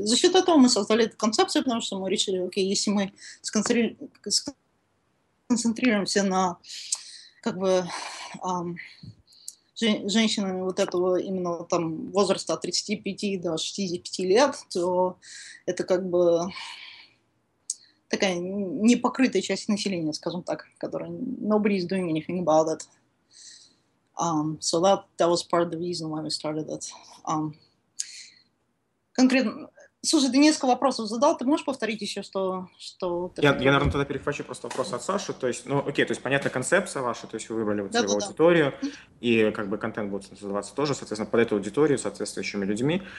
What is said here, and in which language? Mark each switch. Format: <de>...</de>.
<ru>За счет этого мы создали эту концепцию, потому что мы решили, окей, если мы сконцентрируемся на как бы женщинами вот этого именно там возраста от 35 до 65 лет, то это как бы такая непокрытая часть населения, скажем так, которая</ru> <en>nobody is doing anything about it. So that was part of the reason why we started it.</en> <ru>Конкретно, слушай, ты несколько вопросов задал, ты можешь повторить еще, что я, наверное, тогда перехвачу просто вопрос от Саши. То есть, понятна концепция ваша, то есть вы выбрали вот свою аудиторию, и как бы контент будет создаваться тоже, соответственно, под эту аудиторию, соответствующими людьми.</ru>